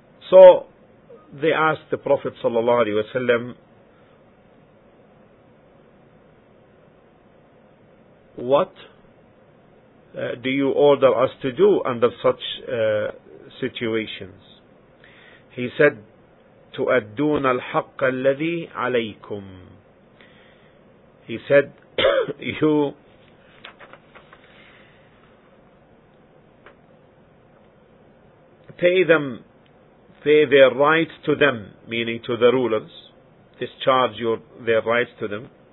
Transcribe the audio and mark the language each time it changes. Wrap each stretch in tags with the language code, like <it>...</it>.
<en>So they asked the Prophet sallallahu alaihi wasallam, what do you order us to do under such situations? He said,</en> <ar>تؤدون الحق الذي عليكم.</ar> <en>He said, you pay their rights to them, meaning to the rulers, discharge their rights to them,</en>